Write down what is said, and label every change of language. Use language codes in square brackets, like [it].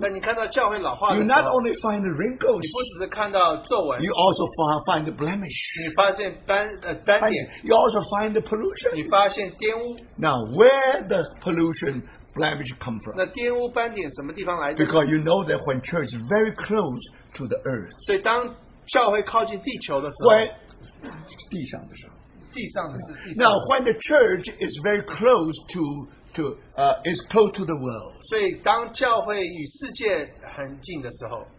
[zh] 但你看到教会老化的时候, [en] you not only find the wrinkles. [zh] 你不只是看到皱纹, [en] you also find the blemish. [zh] 你发现斑点, [en] you also find the pollution. [zh] 你发现玷污。 [en] Now where the pollution blemish come from? [zh] 那玷污斑点什么地方来的? [en] Because you know that when church is very close to the earth. [zh] 所以当教会靠近地球的时候 when, 地上的时候地上的是地上的 [en] Now when the church is very close to is close to the world. [zh] 所以当教会与世界很近的时候,